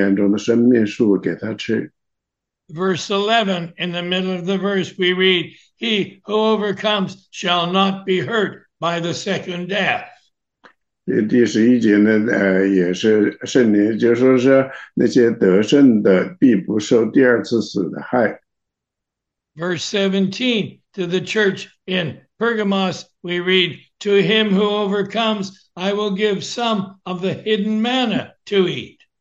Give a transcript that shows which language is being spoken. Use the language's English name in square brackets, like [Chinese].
[Chinese] 这第七节就是启示录第二章第七节说，圣灵向将众教会所说的话，凡有耳的当听。那么得胜的，我必将神乐园中的生命树给他吃。 [English] Verse 11, in the middle of the verse, we read, "He who overcomes shall not be hurt by the second death." [Chinese] 第十一节呢，也是圣灵，就是说是那些得胜的必不受第二次死的害。 [English] Verse 17, to the church in Pergamos, we read, "To him who overcomes, I will give some of the hidden manna to eat."